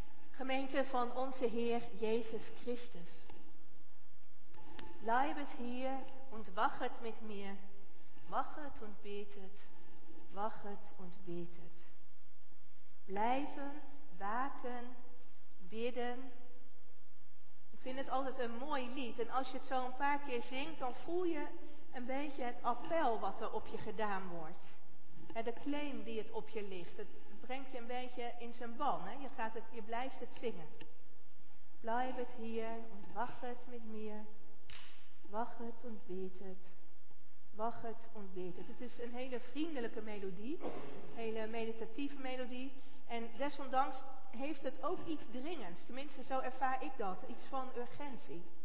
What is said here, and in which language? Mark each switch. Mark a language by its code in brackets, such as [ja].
[nl] Gemeente van onze Heer Jezus Christus. [de] Bleibet hier und wachet mit mir, wachet und betet, wachet und betet. [nl] Blijven, waken, bidden. Ik vind het altijd een mooi lied en als je het zo een paar keer zingt, dan voel je een beetje het appel wat er op je gedaan wordt. De claim die het op je ligt, het brengt je een beetje in zijn ban, hè? Je blijft het zingen. [de] Bleibet hier und wachet mit mir. Wachet und betet, wachet und betet. [nl] Het is een hele vriendelijke melodie, een hele meditatieve melodie. En desondanks heeft het ook iets dringends, tenminste zo ervaar ik dat, iets van urgentie.